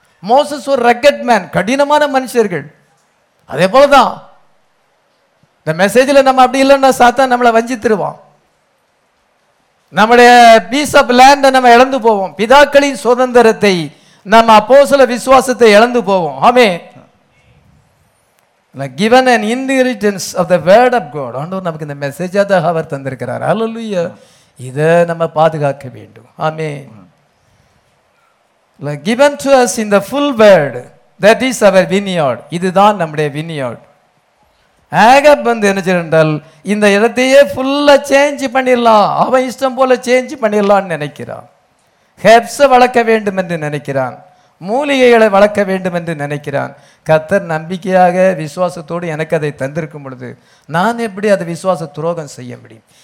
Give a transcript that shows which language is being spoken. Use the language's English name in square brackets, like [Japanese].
[Tamil] Moses ஒரு [English] Rugged man. [Tamil] கடினமான மனுஷர்கள். அதே போல தான் இந்த மெசேஜில் நம்ம அப்படி இல்லைன்னா சாத்தான் நம்மளை வஞ்சித்திருவான். நம்முடைய பீஸ் ஆஃப் லேண்டை நம்ம இழந்து போவோம். பிதாக்களின் சுதந்திரத்தை, நம்ம அப்போஸ்தல விசுவாசத்தை இழந்து போவோம். ஆமே. [English] Given an inheritance of the word of God. [Tamil] ஆண்டவர் நமக்கு இந்த மெசேஜாக தான் அவர் தந்திருக்கிறார். ஹல்லேலூயா. இதை நம்ம பாதுகாக்க வேண்டும். ஆமே. [English] Like given to us in the full word, that is our vineyard. [Tamil] இதுதான் நம்முடைய vineyard. ஆகப் வந்து என்ன சொல்றால், இந்த இடத்தையே ஃபுல்லா சேஞ்ச் பண்ணிடலாம், அவன் இஷ்டம் போல சேஞ்ச் பண்ணிடலாம்னு நினைக்கிறான். ஹெப்ஸை வளர்க்க வேண்டும் என்று நினைக்கிறான். மூலிகைகளை வளர்க்க வேண்டும் என்று நினைக்கிறான். கர்த்தர் நம்பிக்கையாக விசுவாசத்தோடு எனக்கு அதை தந்திருக்கும் பொழுது நான் எப்படி அதை விசுவாச துரோகம் செய்ய முடியும்?